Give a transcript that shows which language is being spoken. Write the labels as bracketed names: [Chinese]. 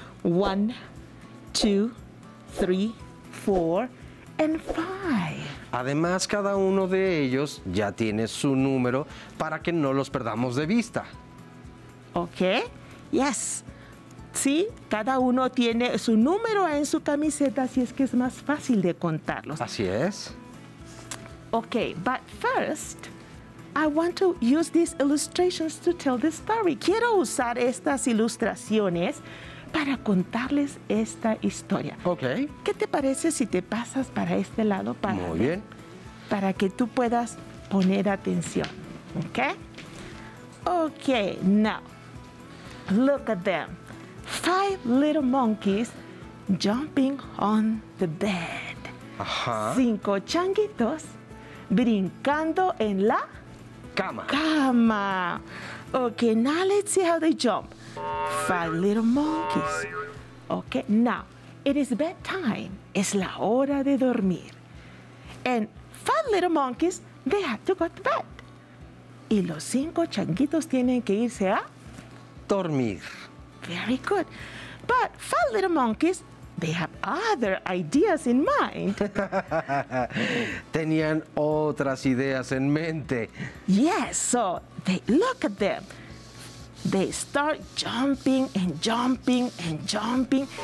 [English] One, two, three, four, and five. [Spanish] Además, cada uno de ellos ya tiene su número para que no los perdamos de vista. [English] Okay, yes. [Spanish] Sí, cada uno tiene su número en su camiseta, así es que es más fácil de contarlos. Así es. [English] Okay, but first, I want to use these illustrations to tell the story. [Spanish] Quiero usar estas ilustraciones para contarles esta historia. [English] Okay. [Spanish] ¿Qué te parece si te pasas para este lado para Muy bien. Para que tú puedas poner atención? Okay. [English] Okay, now. Look at them. Five little monkeys jumping on the bed. Ajá. [Spanish] Cinco changuitos brincando en la cama. [English] Cama. Okay, now let's see how they jump. Five little monkeys. Okay, now it is bedtime. [Spanish] Es la hora de dormir. [English] And five little monkeys, they have to go to bed. [Spanish] Y los cinco changuitos tienen que irse a dormir. [English] Very good. But five little monkeys, they have other ideas in mind. [Spanish] Tenían otras ideas en mente. [English] Yes, so they look at them. They start jumping and jumping and jumping.